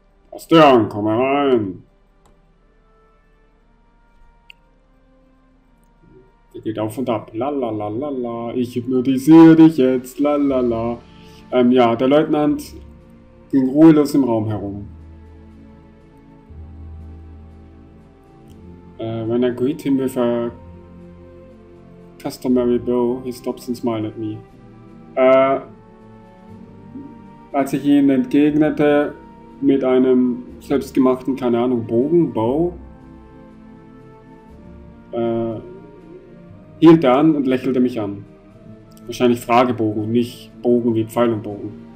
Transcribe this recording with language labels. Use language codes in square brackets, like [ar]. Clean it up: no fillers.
[de] Bastian, komm herein. Der geht auf und ab. Lalalala, ich hypnotisiere dich jetzt. Lalala. Ja, der Leutnant ging ruhelos im Raum herum. [en] When I greet him with a customary bow, he stops and smiles at me. [de] Als ich ihn entgegnete mit einem selbstgemachten, keine Ahnung, Bogen, Bow, hielt er an und lächelte mich an. Wahrscheinlich Fragebogen, nicht Bogen wie Pfeil und Bogen.